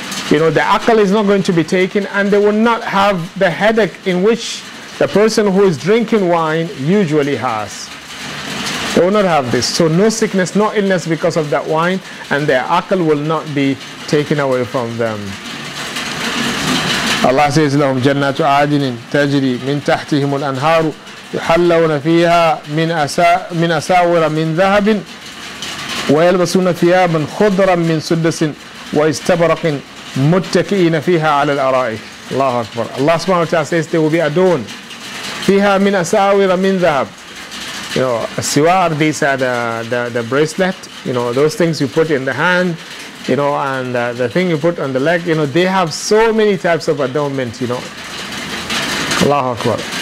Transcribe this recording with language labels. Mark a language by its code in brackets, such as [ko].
[en] You know, the aql is not going to be taken, and they will not have the headache in which the person who is drinking wine usually has. They will not have this. So no sickness, no illness because of that wine, and their aql will not be taken away from them. Allah says, [ar] لهم جنات عدن تجري من تحتهم الأنهار يحلون فيها من أساور من ذهب ويلبسون ثيابا خضرا من سدس واستبرق متكئين فيها على الأرائك. الله أكبر. [en] Allah subhanahu wa ta'ala says they will be adorned. [ar] فيها من أساور من ذهب. [en] You know, السوار, these are the bracelet. You know, those things you put in the hand, you know, and the thing you put on the leg. You know, they have so many types of adornment, you know. Allah Akbar.